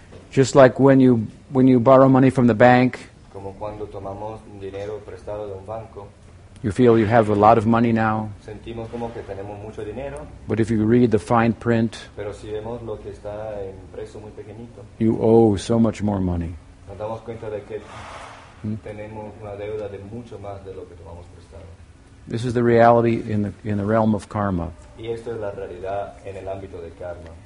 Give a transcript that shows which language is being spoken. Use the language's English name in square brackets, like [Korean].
[English] Just like when you borrow money from the bank. [Spanish] Como cuando tomamos dinero prestado de un banco. [English] You feel you have a lot of money now. [Spanish] Sentimos como que tenemos mucho dinero. [English] But if you read the fine print, [Spanish] pero si vemos lo que está impreso muy pequeñito, [English] you owe so much more money. [Spanish] Nos damos cuenta de que tenemos una deuda de mucho más de lo que tomamos prestado. [English] This is the reality in the realm of karma. [Spanish] Y esto es la realidad en el ámbito del karma.